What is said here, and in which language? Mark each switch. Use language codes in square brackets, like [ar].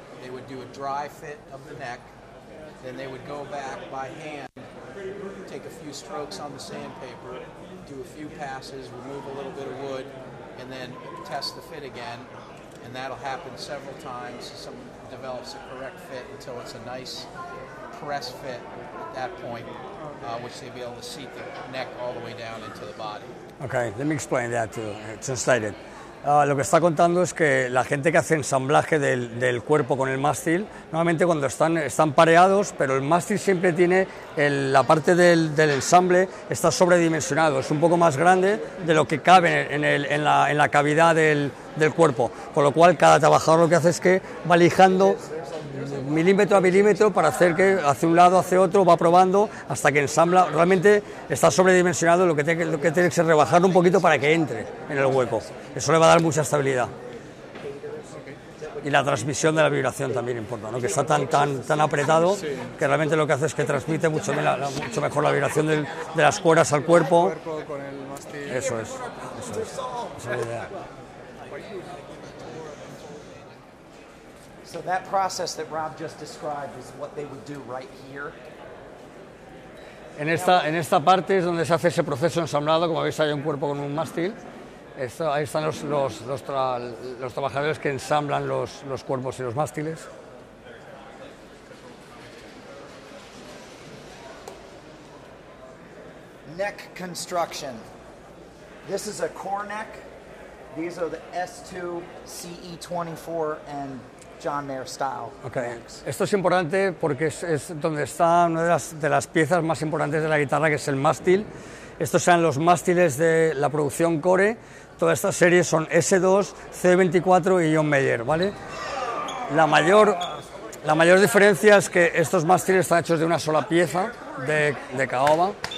[en] They would do a dry fit of the neck, then they would go back by hand, take a few strokes on the sandpaper, do a few passes, remove a little bit of wood, and then test the fit again, and that'll happen several times. Someone develops a correct fit until it's a nice press fit at that point, which they'll be able to seat the neck all the way down into the body. Okay, let me explain that to translate it. [es] Lo que está contando es que la gente que hace ensamblaje del cuerpo con el mástil, normalmente cuando están pareados, pero el mástil siempre tiene la parte del ensamble está sobredimensionado, es un poco más grande de lo que cabe en la cavidad del cuerpo, con lo cual cada trabajador lo que hace es que va lijando milímetro a milímetro para hace un lado, hace otro, va probando hasta que ensambla. Realmente está sobredimensionado, lo que tiene que ser rebajar un poquito para que entre en el hueco. Eso le va a dar mucha estabilidad. Y la transmisión de la vibración también importa, ¿no? Que está tan apretado que realmente lo que hace es que transmite mucho mejor la vibración de las cuerdas al cuerpo. Eso es. Eso es. Esa es la idea. [en] So that process that Rob just described is what they would do right here. [es] En esta parte es donde se hace ese proceso ensamblado, como veis hay un cuerpo con un mástil. Ahí están los trabajadores que ensamblan los cuerpos y los mástiles. [en] Neck construction. This is a core neck. These are the S2, CE24, and John Mayer style. Okay. [es] Esto es importante porque es donde está una de las piezas más importantes de la guitarra, que es el mástil. Estos sean los mástiles de la producción Core. Toda esta serie son S2, C24 y John Mayer, ¿vale? La mayor diferencia es que estos mástiles están hechos de una sola pieza de caoba.